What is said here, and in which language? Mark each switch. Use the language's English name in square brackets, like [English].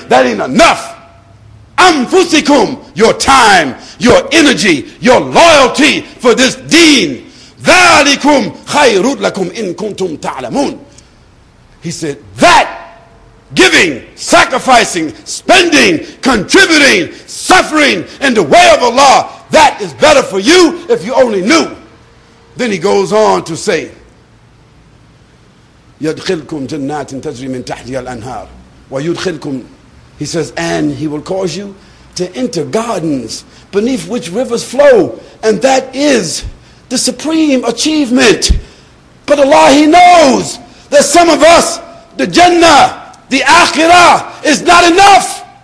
[English] That ain't enough. Anfusikum, your time, your energy, your loyalty for this deen. [Arabic] Dhalikum khayrun lakum in kuntum ta'lamun. [English] He said, that giving, sacrificing, spending, contributing, suffering in the way of Allah, that is better for you if you only knew. Then he goes on to say, [Arabic] يَدْخِلْكُمْ جَنَّاتٍ تَجْرِي مِنْ تَحْتِيَ الْأَنْهَارِ وَيُدْخِلْكُمْ. [English] He says, and he will cause you to enter gardens beneath which rivers flow. And that is the supreme achievement. But Allah, He knows that some of us, the Jannah, the Akhirah, is not enough.